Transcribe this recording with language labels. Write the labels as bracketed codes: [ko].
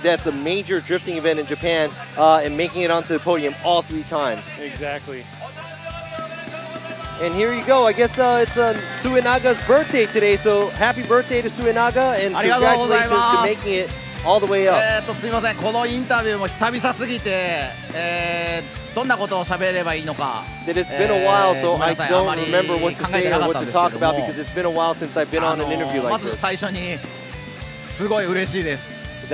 [en] That's a major drifting event in Japan, and making it onto the podium all three times. Exactly. And here you go. I guess it's Suenaga's birthday today. So happy birthday to Suenaga and congratulations to making it all the way up. [ja] すみません。このインタビューも久々すぎて、どんなことを喋ればいいのか。 [en] That it's been a while, so I don't remember what to say or what to talk about because it's been a while since I've been on an interview like this. [ja] まず最初にすごい嬉しいです。